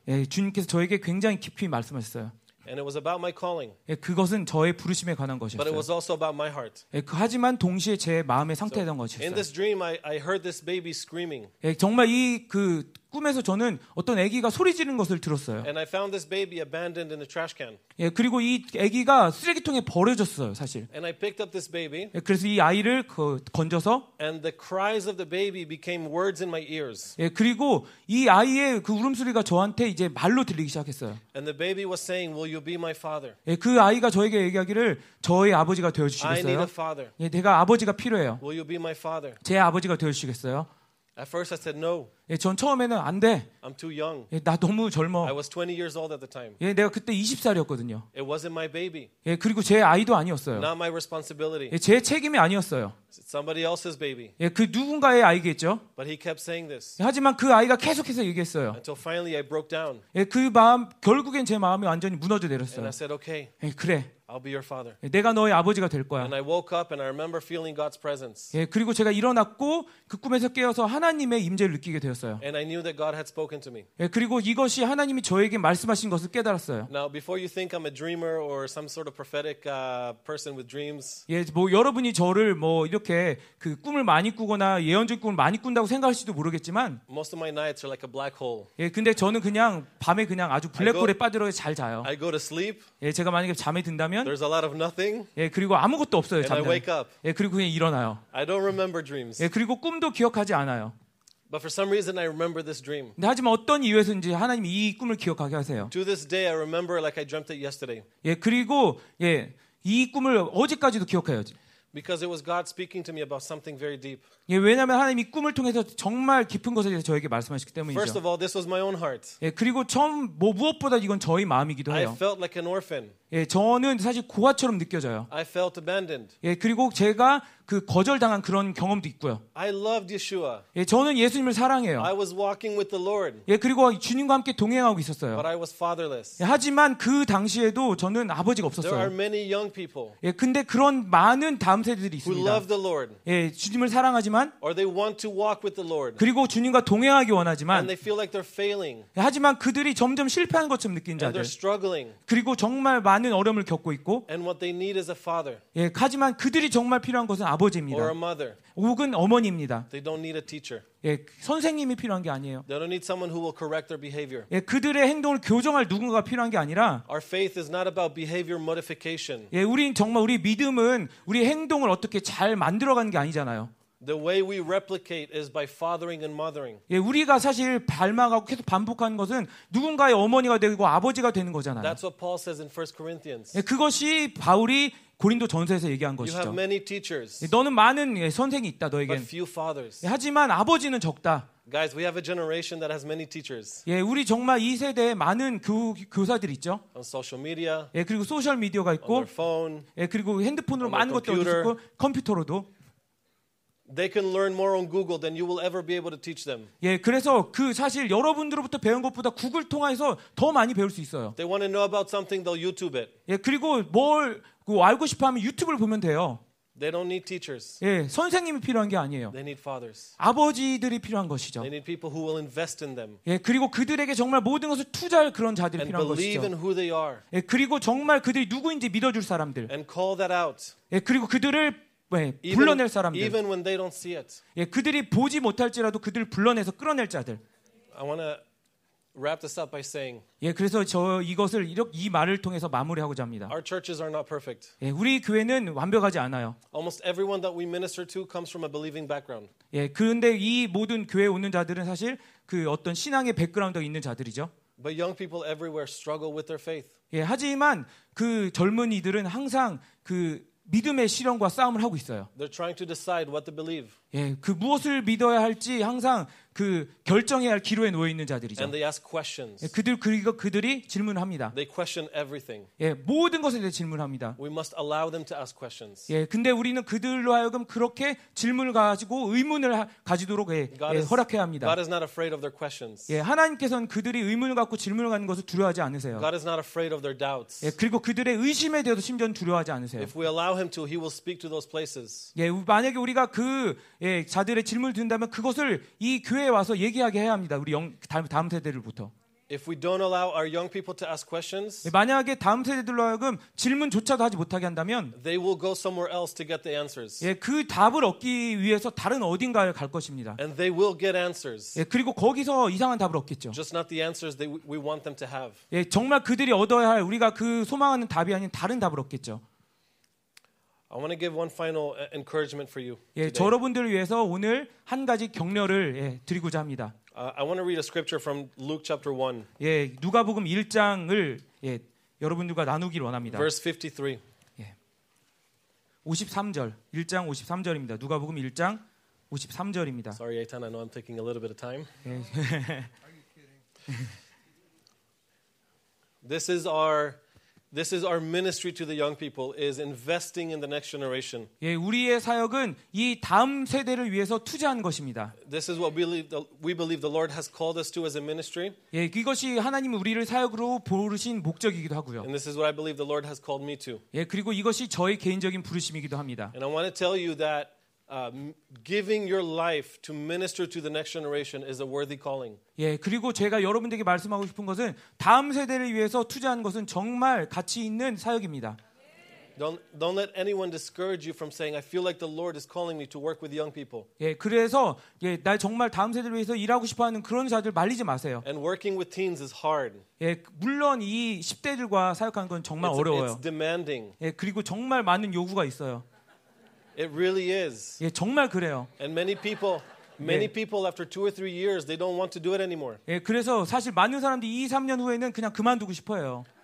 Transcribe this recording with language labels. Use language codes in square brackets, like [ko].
[ko] 예, 주님께서 저에게 굉장히 깊이 말씀하셨어요. [en] And it was about my calling. [ko] 예, 그것은 저의 부르심에 관한 것이었어요. [en] But it was also about my heart. [ko] 예, 그, 하지만 동시에 제 마음의 상태였던 so, 것이었어요. [en] In this dream, I heard this baby screaming. [ko] 예, 정말 이 그 꿈에서 저는 어떤 아기가 소리 지르는 것을 들었어요. [en] And I found this baby abandoned in the trash can. [ko] 예, 그리고 이 아기가 쓰레기통에 버려졌어요, 사실. [en] And I picked up this baby. [ko] 예, 그래서 이 아이를 그 건져서. [en] And the cries of the baby became words in my ears. [ko] 예, 그리고 이 아이의 그 울음소리가 저한테 이제 말로 들리기 시작했어요. [en] And the baby was saying, "Will you be my father?" [ko] 예, 그 아이가 저에게 얘기하기를 저의 아버지가 되어주시겠어요? [en] I need a father. [ko] 예, 내가 아버지가 필요해요. [en] Will you be my father? [ko] 제 아버지가 되어주시겠어요? [en] At first, I said no. [ko] 예, 전 처음에는 안 돼. [en] I'm too young. [ko] 예, 나 너무 젊어. [en] I was 20 years old at the time. [ko] 예, 내가 그때 20살이었거든요. [en] It wasn't my baby. [ko] 예, 그리고 제 아이도 아니었어요. [en] Not my responsibility. [ko] 예, 제 책임이 아니었어요. [en] It's somebody else's baby. [ko] 예, 그 누군가의 아이겠죠. [en] But he kept saying this. [ko] 예, 하지만 그 아이가 계속해서 얘기했어요. [en] Until finally, I broke down. [ko] 예, 그 마음 결국엔 제 마음이 완전히 무너져 내렸어요. [en] And I said, okay. [ko] 예, 그래. [en] I'll be your father. [ko] 내가 너의 아버지가 될 거야. [en] And I woke up and I remember feeling God's presence. [ko] 예, 그리고 제가 일어났고 그 꿈에서 깨어서 하나님의 임재를 느끼게 되었어요. [en] And I knew that God had spoken to me. [ko] 예, 그리고 이것이 하나님이 저에게 말씀하신 것을 깨달았어요. [en] Now, before you think I'm a dreamer or some sort of prophetic person with dreams. [ko] 예, 뭐 여러분이 저를 뭐 이렇게 그 꿈을 많이 꾸거나 예언적인 꿈을 많이 꾼다고 생각할지도 모르겠지만 [en] Most of my nights are like a black hole. [ko] 예, 근데 저는 그냥 밤에 그냥 아주 블랙홀에 빠져서 잘 자요. [en] I go to sleep. [ko] 예, 제가 만약에 잠에 든다면 [en] There's a lot of nothing. [ko] 예, 그리고 아무것도 없어요. 잠깐. [en] And I wake up. [ko] 예, 그리고 그냥 일어나요. [en] I don't remember dreams. [ko] 예, 그리고 꿈도 기억하지 않아요. [en] But for some reason I remember this dream. [ko] 근데 하지만 어떤 이유에서인지 하나님이 이 꿈을 기억하게 하세요. [en] To this day I remember like I dreamt it yesterday. [ko] 예, 그리고 예, 이 꿈을 어제까지도 기억해요. [en] Because it was God speaking to me about something very deep. [ko] 예, 왜냐하면 하나님이 꿈을 통해서 정말 깊은 것에 대해서 저에게 말씀하셨기 때문이죠. [en] First of all, this was my own heart. [ko] 예, 그리고 처음 뭐 무엇보다 이건 저의 마음이기도 해요. [en] I felt like an orphan. [ko] 예, 저는 사실 고아처럼 느껴져요. [en] I felt abandoned. [ko] 예, 그리고 제가 그 거절당한 그런 경험도 있고요. [en] I loved Yeshua. [ko] 예, 저는 예수님을 사랑해요. [en] I was walking with the Lord. [ko] 예, 그리고 주님과 함께 동행하고 있었어요. [en] But I was fatherless. [ko] 예, 하지만 그 당시에도 저는 아버지가 없었어요. [en] There are many young people. [ko] 예, 근데 그런 많은 다음 세대들이 있습니다. [en] Who love the Lord. [ko] 예, 주님을 사랑하지만 [en] or they want to walk with the Lord. [ko] 그리고 주님과 동행하기 원하지만 [en] and they feel like they're failing. [ko] 예, 하지만 그들이 점점 실패한 것처럼 느끼는 자들. [en] And they're struggling. [ko] 그리고 정말 많은 어려움을 겪고 있고 [en] and what they need is a father. [ko] 예, 하지만 그들이 정말 필요한 것은 아버지입니다. [en] Or a mother. [ko] 혹은 어머니입니다. [en] They don't need a teacher. [ko] 예, 선생님이 필요한 게 아니에요. [en] They don't need someone who will correct their behavior. [ko] 예, 그들의 행동을 교정할 누군가가 필요한 게 아니라 [en] Our faith is not about behavior modification. [ko] 예, 우린 정말 우리 믿음은 우리 행동을 어떻게 잘 만들어 가는 게 아니잖아요. [en] The way we replicate is by fathering and mothering. [ko] 예, 우리가 사실 닮아가고 계속 반복하는 것은 누군가의 어머니가 되고 아버지가 되는 거잖아요. [en] That's what Paul says in 1 Corinthians. [ko] 예, 그것이 바울이 고린도 전서에서 얘기한 것이죠. [en] You have many teachers. [ko] 예, 너는 많은 예, 선생이 있다 너에겐. [en] But few fathers. [ko] 예, 하지만 아버지는 적다. [en] Guys, we have a generation that has many teachers. [ko] 예, 우리 정말 이 세대에 많은 교사들 있죠. [en] On social media. [ko] 예, 그리고 소셜 미디어가 있고. [en] On their phone. [ko] 예, 그리고 핸드폰으로 많은 것도 있고 컴퓨터로도. [en] They can learn more on Google than you will ever be able to teach them. [ko] 예, 그래서 그 사실 여러분들로부터 배운 것보다 구글 통해서 더 많이 배울 수 있어요. [en] They want to know about something, they'll YouTube it. [ko] 예, 그리고 뭘 알고 싶어하면 유튜브를 보면 돼요. [en] They don't need teachers. [ko] 예, 선생님이 필요한 게 아니에요. [en] They need fathers. [ko] 아버지들이 필요한 것이죠. [en] They need people who will invest in them. [ko] 예, 그리고 그들에게 정말 모든 것을 투자할 그런 자들이 필요한 것이죠. [en] And believe in who they are. [ko] 예, 그리고 정말 그들이 누구인지 믿어줄 사람들. [en] And call that out. [ko] 예, 그리고 그들을 예, 불러낼 사람들. [en] Even when they don't see it. [ko] 예, 그들이 보지 못할지라도 그들을 불러내서 끌어낼 자들. [en] I want to wrap this up by saying. [ko] 예, 그래서 저 이것을 이렇게 이 말을 통해서 마무리하고자 합니다. [en] Our churches are not perfect. [ko] 예, 우리 교회는 완벽하지 않아요. [en] Almost everyone that we minister to comes from a believing background. [ko] 예, 그런데 이 모든 교회에 오는 자들은 사실 그 어떤 신앙의 백그라운드가 있는 자들이죠. [en] But young people everywhere struggle with their faith. [ko] 예, 하지만 그 젊은이들은 항상 그 믿음의 시련과 싸움을 하고 있어요. [en] They're trying to decide what to believe. [ko] 예, 그 무엇을 믿어야 할지 항상 그 결정해야 할 기로에 놓여 있는 자들이죠. [en] And they ask questions. [ko] 예, 그들이 질문합니다. [en] They question everything. [ko] 예, 모든 것에 대해 질문합니다. [en] We must allow them to ask questions. [ko] 예, 근데 우리는 그들로 하여금 그렇게 질문을 가지고 의문을 가지도록 허락해야 합니다. [en] God is not afraid of their questions. [ko] 예, 하나님께서는 그들이 의문을 갖고 질문을 가는 것을 두려워하지 않으세요. [en] God is not afraid of their doubts. [ko] 예, 그리고 그들의 의심에 대해서 심지어는 두려워하지 않으세요. [en] If we allow him to, he will speak to those places. [ko] 예, 만약에 우리가 그 예, 자들의 질문을 든다면 그것을 이 교회에 와서 얘기하게 해야 합니다. 우리 다음 세대들부터. [en] If we don't allow our young people to ask questions, [ko] 예, 만약에 다음 세대들로 하여금 질문조차도 하지 못하게 한다면 [en] they will go somewhere else to get the answers. [ko] 예, 그 답을 얻기 위해서 다른 어딘가에 갈 것입니다. [en] And they will get answers. [ko] 예, 그리고 거기서 이상한 답을 얻겠죠. [en] Just not the answers that we want them to have. [ko] 예, 정말 그들이 얻어야 할 우리가 그 소망하는 답이 아닌 다른 답을 얻겠죠. [en] I want to give one final encouragement for you. [ko] 예, 여러분들을 위해서 오늘 한 가지 격려를 예, 드리고자 합니다. [en] I want to read a scripture from Luke chapter 1. [ko] 예, 누가복음 1장을 예, 여러분들과 나누기를 원합니다. [en] Verse 53. 예. [ko] 53절. 1장 53절입니다. 누가복음 1장 53절입니다. [en] Sorry, Eitan, I know I'm taking a little bit of time. Are you kidding? This is our ministry to the young people is investing in the next generation. [ko] 예, 우리의 사역은 이 다음 세대를 위해서 투자하는 것입니다. [en] This is what we believe the Lord has called us to as a ministry. [ko] 예, 이것이 하나님이 우리를 사역으로 부르신 목적이기도 하고요. [en] And this is what I believe the Lord has called me to. [ko] 예, 그리고 이것이 저의 개인적인 부르심이기도 합니다. [en] And I want to tell you that giving your life to minister to the next generation is a worthy calling. [ko] 예, 그리고 제가 여러분들에게 말씀하고 싶은 것은 다음 세대를 위해서 투자하는 것은 정말 가치 있는 사역입니다. [en] Don't let anyone discourage you from saying I feel like the Lord is calling me to work with young people. [ko] 예, 그래서 예, 나 정말 다음 세대를 위해서 일하고 싶어 하는 그런 자들 말리지 마세요. [en] And working with teens is hard. [ko] 예, 물론 이 10대들과 사역하는 건 정말 어려워요. [en] It's demanding. [ko] 예, 그리고 정말 많은 요구가 있어요. [en] It really is. [ko] 예, 정말 그래요. [en] And many people after 2 or 3 years, they don't want to do it anymore. [ko] 예, 그래서 사실 많은 사람들이 2, 3년 후에는 그냥 그만두고 싶어요.